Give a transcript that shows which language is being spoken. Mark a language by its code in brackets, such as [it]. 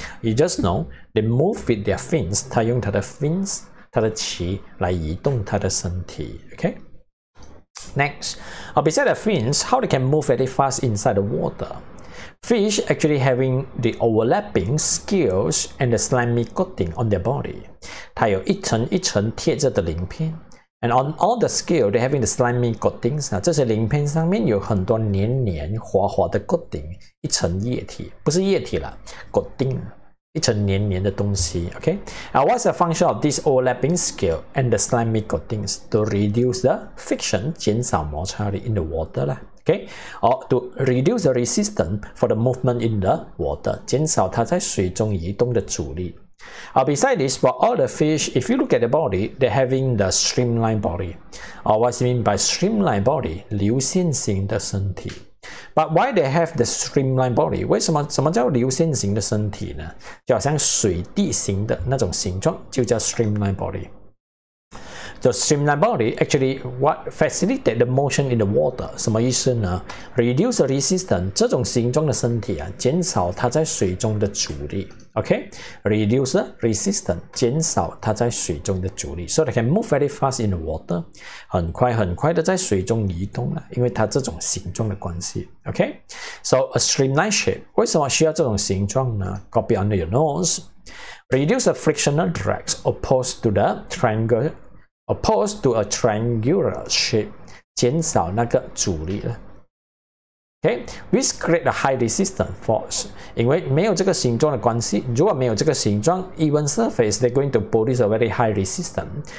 [en] You just know, they move with their fins, [zh] 它用它的fins, 它的鳍来移动它的身体. [en] Okay? Next, beside the fins, how they can move very fast inside the water? Fish actually having the overlapping scales and the slimy coating on their body. [zh] 它有一层一层贴着的鳞片. [en] And on all the scales, they having the slimy coatings. [zh] 这些鳞片上面有很多黏黏滑滑的 coating, 一层液体, 不是液体了, coating, 一层黏黏的东西, okay? [en] Now, what's the function of this overlapping scale and the slimy coatings? To reduce the friction, [zh] 减少摩擦力 [en] in the water. Okay, or to reduce the resistance for the movement in the water, [zh] 减少它在水中移动的阻力. [en] Besides this, for all the fish, if you look at the body, they're having the streamlined body. What's mean by streamlined body? [zh] 流线型的身体. [en] But why they have the streamlined body? [zh] 为什么叫流线型的身体呢? 就好像水滴型的那种形状, 就叫 streamlined body. [en] The streamlined body actually what facilitate the motion in the water. [zh] 什么意思呢? [en] Reduce the resistance. [zh] 这种形状的身体啊, 减少它在水中的阻力. [en] Okay? Reduce the resistance. [zh] 减少它在水中的阻力. [en] So they can move very fast in the water. [zh] 很快的在水中移动啊, 因为它这种形状的关系. [en] Okay? So a streamlined shape. [zh] 为什么需要这种形状呢? [en] Copy under your nose. Reduce the frictional drags opposed to the triangle. Opposed to a triangular shape, [zh] 减少那个阻力. [en] Okay, which create a high resistance force. [zh] 因为没有这个形状 [en] 的关系, 如果没有这个形状, even surface, they're going to produce a very high resistance.